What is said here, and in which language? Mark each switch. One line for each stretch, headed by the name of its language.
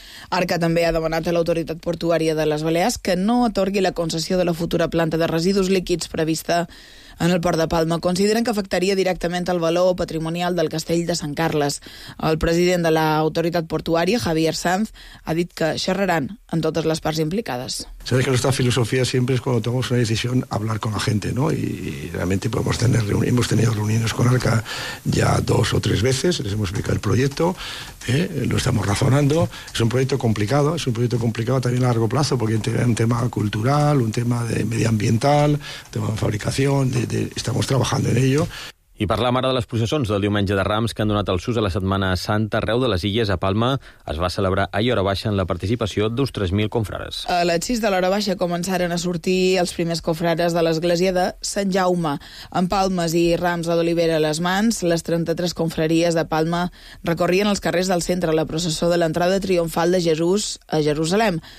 Catalan: Arca també ha demanat a l'autoritat portuària de les Balears que no atorgui la concessió de la futura planta de residus líquids prevista en el port de Palma. Consideren que afectaria directament el valor patrimonial del castell de Sant Carles. El president de l'autoritat portuària, Javier Sanz, ha dit que xerraran amb totes les parts implicades.
Spanish: Sabes que nuestra filosofía siempre es cuando tomamos una decisión hablar con la gente, ¿no? Y realmente podemos tener hemos tenido reuniones con Arca ya dos o tres veces, les hemos explicado el proyecto, lo estamos razonando. Es un proyecto complicado también a largo plazo, porque es un tema cultural, un tema de medioambiental, tema de fabricación, estamos trabajando en ello.
Catalan: I per la mare de les processons del diumenge de Rams que han donat els sus a la Setmana Santa arreu de les Illes a Palma, es va celebrar ahir hora baixa en la participació d'uns 3.000 confrares. A les 6 de l'hora baixa començaren a sortir els primers confrares de l'església de Sant Jaume. Amb palmes i rams a d'olivera a les mans, les 33 confraries de Palma recorrien els carrers del centre a la processó de l'entrada triomfal de Jesús a Jerusalem.